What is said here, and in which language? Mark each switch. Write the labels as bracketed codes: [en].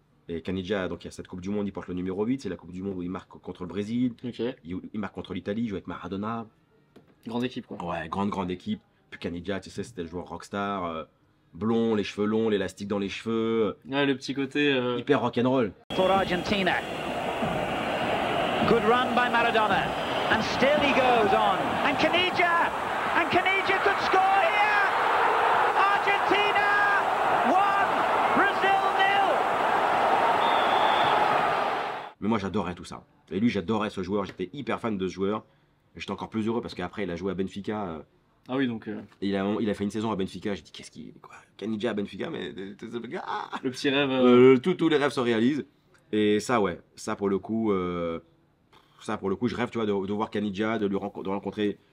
[fr] Et Caniggia, donc il y a cette Coupe du Monde, il porte le numéro 8. C'est la Coupe du Monde où il marque contre le Brésil. Okay. Il marque contre l'Italie, il joue avec Maradona. Grande équipe, quoi. Ouais, grande équipe. Puis Caniggia, tu sais, c'était le joueur rockstar. Blond, les cheveux longs, l'élastique dans les cheveux. Ouais, le petit côté. Hyper rock'n'roll. [en] For Argentina. Good run by Maradona, and still he goes on, and Caniggia could score here, Argentina 1, Brazil 0. [fr] Mais moi j'adorais tout ça, et lui j'adorais ce joueur, j'étais hyper fan de ce joueur, et j'étais encore plus heureux parce qu'après il a joué à Benfica. Ah oui, donc. Il a fait une saison à Benfica, j'ai dit qu'est-ce qu'il, quoi, Caniggia à Benfica, mais. Le petit rêve. Tous les rêves se réalisent. Et ça, ouais, ça pour le coup, je rêve, tu vois, de voir Caniggia, de rencontrer.